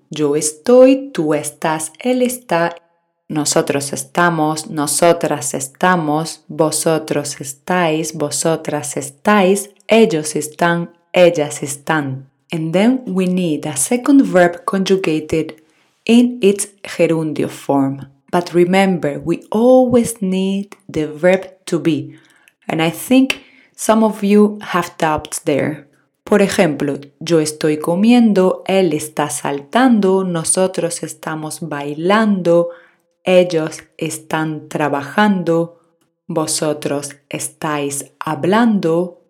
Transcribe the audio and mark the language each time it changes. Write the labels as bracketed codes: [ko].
[es] Yo estoy, tú estás, él está, nosotros estamos, nosotras estamos, vosotros estáis, vosotras estáis, ellos están, ellas están. [en] And then we need a second verb conjugated in its gerundio form. But remember, we always need the verb to be. And I think some of you have doubts there. [es] Por ejemplo, yo estoy comiendo, él está saltando, nosotros estamos bailando, ellos están trabajando, vosotros estáis hablando.